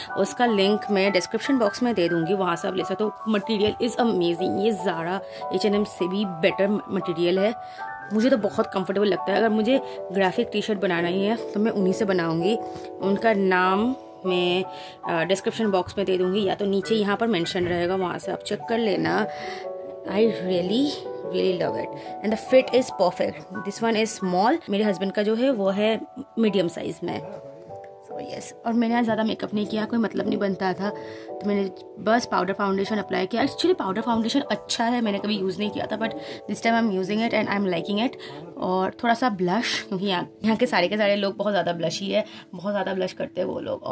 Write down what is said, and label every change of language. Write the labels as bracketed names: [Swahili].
[Hindi] उसका लिंक मैं description box में दे दूँगी, वहाँ से आप ले सकते हो. [English] material is amazing, [Hindi] ये ज़ारा H&M से भी बेटर मटेरियल है. मुझे तो बहुत कम्फर्टेबल लगता है. अगर मुझे ग्राफिक टी शर्ट बनाना ही है तो मैं उन्हीं से बनाऊँगी. उनका नाम मैं डिस्क्रिप्शन बॉक्स में दे दूँगी या तो नीचे यहाँ पर मैंशन रहेगा, वहाँ से आप चेक कर लेना. [English] I really really love it and the fit is perfect. This one is small. [Hindi] मेरे हस्बैंड का जो है वो है मीडियम साइज़ में. [English] So yes. [Hindi] और मैंने आज ज़्यादा मेकअप नहीं किया, कोई मतलब नहीं बनता था तो मैंने बस पाउडर फाउंडेशन अप्लाई किया. [English] actually powder foundation [Hindi] अच्छा है, मैंने कभी यूज़ नहीं किया था [English] But this time I am using it and I am liking it. [Hindi] और थोड़ा सा ब्लश, क्योंकि यहाँ के सारे लोग बहुत ज़्यादा ब्लशी है, बहुत ज़्यादा ब्लश करते हैं वो लोग.